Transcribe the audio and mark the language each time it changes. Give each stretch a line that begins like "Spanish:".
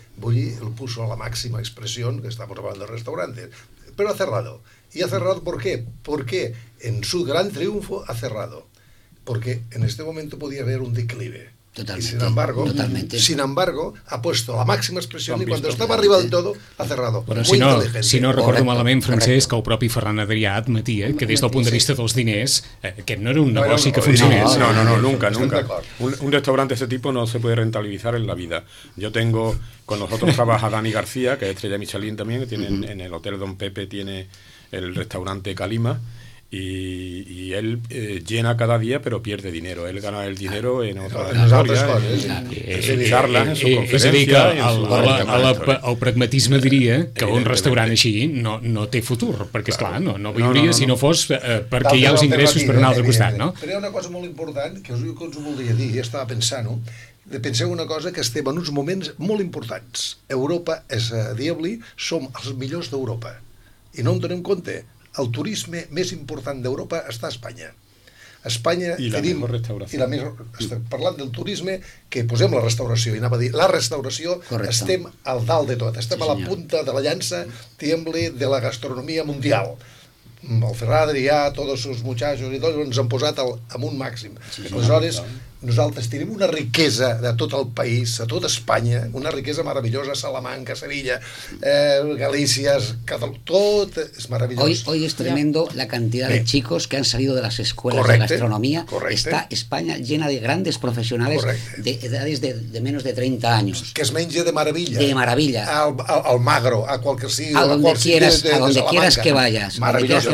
Spanish: Bulli lo puso a la máxima expresión, que estamos hablando de restaurantes, pero ha cerrado. ¿Y ha cerrado por qué? Porque en su gran triunfo ha cerrado. Porque en este momento podía haber un declive. Totalmente. Y sin embargo, ha puesto la máxima expresión y cuando estaba arriba del todo, ha cerrado.
Catalan: Però si no recordo malament, Francesc, que el propi Ferran Adrià admetia que des del punt de vista dels diners, aquest no era un negoci que funcionés.
Spanish: No, nunca. Un restaurante de ese tipo no se puede rentabilizar en la vida. Yo tengo, con nosotros trabaja Dani García, que es estrella Michelin también, que tiene en el Hotel Don Pepe, tiene el restaurante Calima. Y él llena cada día, pero pierde dinero. Él gana el dinero en otras áreas, en charlas, en su conferencia.
Catalan: El pragmatisme diria que un restaurant així no té futur, perquè, esclar, no viuria si no fos perquè hi ha els ingressos per un altre costat, no? Però hi ha una cosa molt important, que us ho voldria dir, ja estava pensant-ho. Penseu una cosa, que estem en uns moments molt importants. Europa és a dir-li, som els millors d'Europa. I no en donem compte. El turisme més important d'Europa està a Espanya. Espanya i la millor restauració. Estem parlant del turisme, que posem la restauració, i anava a dir, la restauració. Correcte. Estem al dalt de tot, estem sí, a la punta de la llança, tiemble de la gastronomia mundial. El Ferran Adrià, tots els seus muchachos i tots, ens han posat en un màxim. Sí, aleshores, nosaltres tenim una riquesa de tot el país, de tot Espanya, una riquesa meravellosa, Salamanca, Sevilla, Galícia, Catalunya, tot és meravellós.
Spanish: Hoy es tremendo la cantidad de chicos que han salido de las escuelas.
Catalan: Correcte.
Spanish: De gastronomía.
Catalan: Correcte.
Spanish: Está España llena de grandes profesionales.
Catalan: Correcte.
Spanish: De edades de menos de 30 años.
Catalan: Que es menja de maravilla.
Spanish: De maravilla. Al magro, a cualquier sitio, a donde quieras, a donde quieras que vayas. Maravilloso.